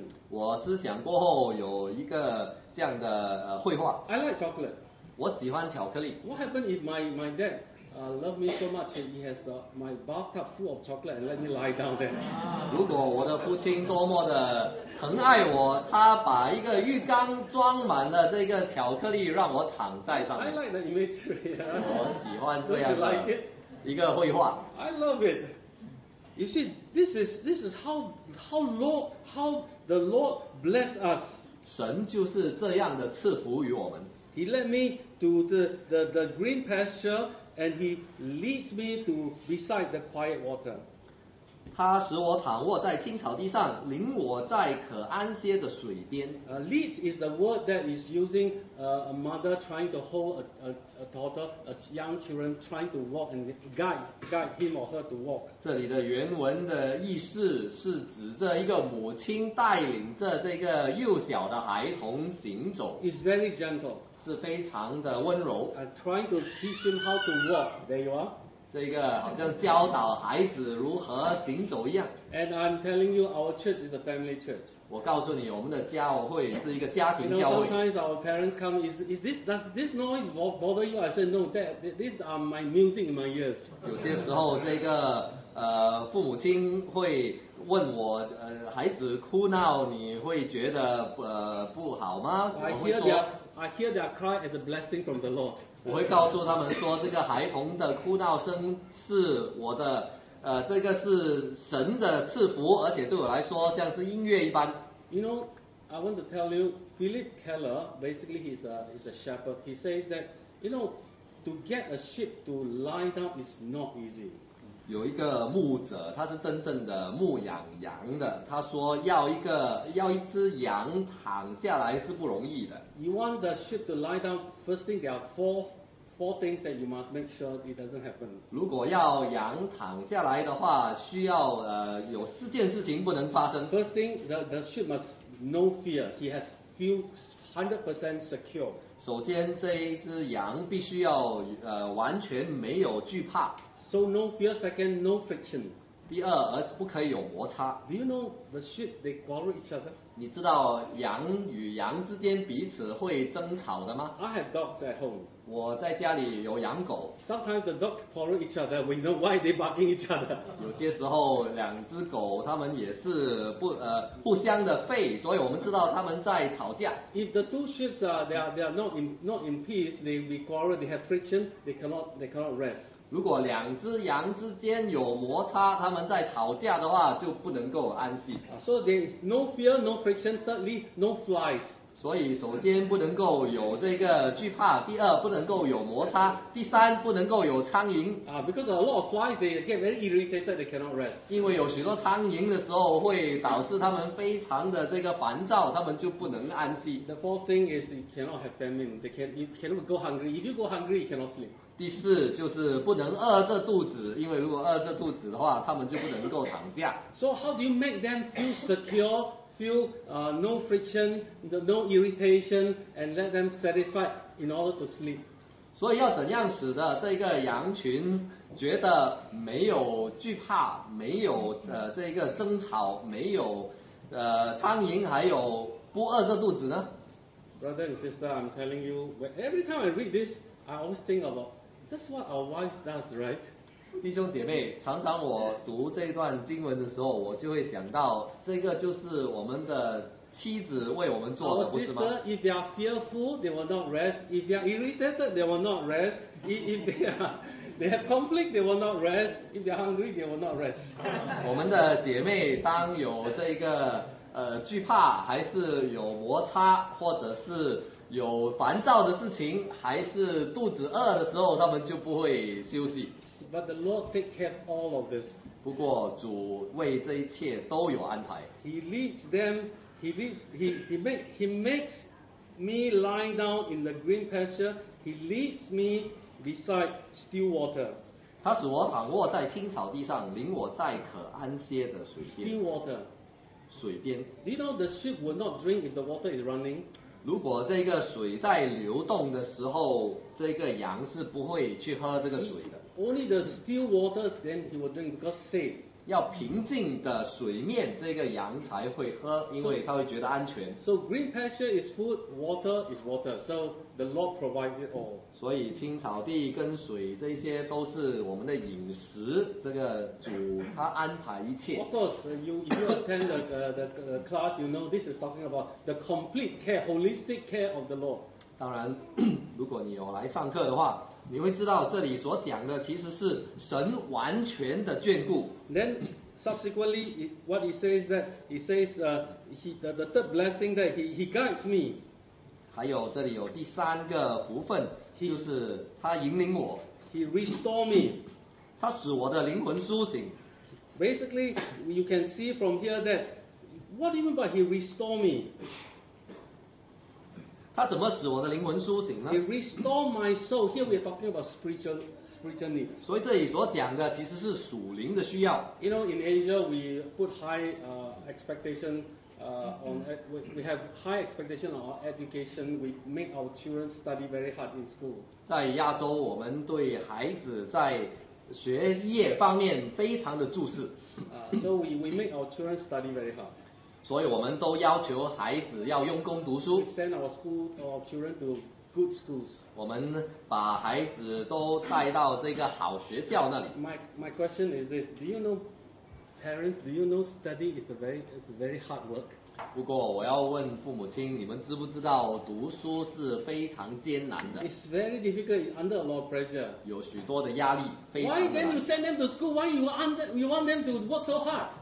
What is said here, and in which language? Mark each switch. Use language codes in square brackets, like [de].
[zh] 我思想过后有一个这样的绘画。 [en] I like chocolate. [zh] 我喜欢巧克力。 [en] What happened if my dad loved me so much and he has my bathtub full of chocolate and let me lie down there? [zh] 如果我的父亲多么的疼爱我，他把一个浴缸装满了这个巧克力，让我躺在上面。 [en] I like the imagery. [zh] 我喜欢这样的一个绘画。 [en] I love it. You see, this is how the Lord bless us. [zh] 神就是这样的赐福于我们。 [en] He led me to the green pasture, and he leads me to beside the quiet water. [zh] 他使我躺卧在青草地上，领我在可安歇的水边。 [en] Lead is the word that is using a mother trying to hold a daughter, a young children trying to walk and guide him or her to walk. [zh] 这里的原文的意思是指着一个母亲带领着这个幼小的孩童行走。 [en] It's very gentle. [zh] 是非常的温柔。 [en] I'm trying to teach him how to walk. There you are. [zh] 这个好像教导孩子如何行走一样。 [en] And I'm telling you, our church is a family church. [zh] 我告诉你，我们的教会是一个家庭教会。 [en] You know, sometimes our parents come, does this noise bother you? I said, no, Dad, these are my music in my ears. [zh] 有些时候，这个父母亲会问我，孩子哭闹，你会觉得不好吗？我会说。 [en] I hear their cry as a blessing from the Lord. [zh] 我会告诉他们说，这个孩童的哭闹声是我的，这个是神的赐福，而且对我来说像是音乐一般。 [en] You know, I want to tell you, Philip Keller, basically he's a shepherd. He says that, you know, to get a sheep to lie down is not easy. [zh] 有一个牧者，他是真正的牧养羊的。他说要一只羊躺下来是不容易的。 [en] You want the sheep to lie down, first thing there are four things that you must make sure it doesn't happen. [zh] 如果要羊躺下来的话，需要有四件事情不能发生。 [en] First thing, the sheep must know fear. He has feel 100% secure. [zh] 首先这一只羊必须要完全没有惧怕。 [en] So no fear, second, no friction. [zh] 第二，而不可以有摩擦。 [en] Do you know the sheep, they quarrel each other? [zh] 你知道羊与羊之间彼此会争吵的吗？ [en] I have dogs at home. [zh] 我在家里有养狗。 [en] Sometimes the dogs quarrel each other, we know why they barking each other. [zh] 有些时候两只狗它们也是互相的吠，所以我们知道它们在吵架。 [en] If the two sheep they are not in peace, they be quarrel, they have friction, they cannot rest. [zh] 如果两只羊之间有摩擦，他们在吵架的话，就不能够安息。 [en] So there is no fear, no friction. Thirdly, no flies. [zh] 所以首先不能够有这个惧怕，第二不能够有摩擦，第三不能够有苍蝇。 [en] Because a lot of flies, they get very irritated, they cannot rest. [zh] 因为有许多苍蝇的时候，会导致他们非常的这个烦躁，他们就不能安息。 [en] The fourth thing is you cannot have famine. You cannot go hungry. If you go hungry, you cannot sleep. [zh] 第四就是不能饿着肚子，因为如果饿着肚子的话，他们就不能够躺下。 [en] So how do you make them feel secure, feel no friction, no irritation, and let them satisfied in order to sleep? [zh] 所以要怎样使得这个羊群觉得没有惧怕，没有这个争吵，没有苍蝇，还有不饿着肚子呢？ [en] Brother and sister, I'm telling you, every time I read this, I always think aboutThat's what our wife does, right? [zh] 弟兄姐妹，常常我读这段经文的时候，我就会想到，这个就是我们的妻子为我们做的，不是吗？ [en] Our sister, if they are fearful, they will not rest. If they are irritated, they will not rest. If they have conflict, they will not rest. If they are hungry, they will not rest. [zh] 我们的姐妹当有这个惧怕，还是有摩擦，或者是有烦躁的事情，还是肚子饿的时候，他们就不会休息。 [en] But the Lord take care of all of this. [zh] 不过主为这一切都有安排。 [en] He leads them. He makes me lie down in the green pasture. He leads me beside still water. [zh] 他使我躺卧在青草地上，领我在可安歇的水边。 [en] Still water. [zh] 水边。 [en] Do you know the sheep will not drink if the water is running? [zh] 如果这个水在流动的时候，这个羊是不会去喝这个水的。 [en] Only the still water, then he will drink because safe. [zh] 要平静的水面，这个羊才会喝，因为它会觉得安全。 [en] So green pasture is food, water is water. So the Lord provides it all. [zh] 所以青草地跟水这些都是我们的饮食，这个主他安排一切。 [en] Of course, you attend the class, you know this is talking about the complete care, holistic care of the Lord. [zh] 当然，如果你有来上课的话。你会知道这里所讲的其实是神完全的眷顾。 [en] Then subsequently, what he says that he says, the third blessing that he guides me. [zh] 还有这里有第三个福分，就是他引领我。 [en] He restore me. [zh] 他使我的灵魂苏醒。 [en] Basically, you can see from here that what even but he restore me. [zh] 他怎么使我的灵魂苏醒呢？ [en] He restore my soul. Here we are talking about spiritual need. [zh] 所以这里所讲的其实是属灵的需要。 [en] You know, in Asia we put high expectation on we have high expectation on our education. We make our children study very hard in school. [zh] 在亚洲，我们对孩子在学业方面非常的重视。 [en] So we make our children study very hard. [zh] 所以我们都要求孩子要用功读书。 [en] We send our school, our children to good schools. [zh] 我们把孩子都带到这个好学校那里。 [en] My question is this: Do you know, parents? Do you know study is a very hard work? [zh] 不过我要问父母亲，你们知不知道读书是非常艰难的 [en] ？It's very difficult. Under a lot of pressure. [zh] 有许多的压力，非常 [en] Why then you send them to school? Why you want them to work so hard?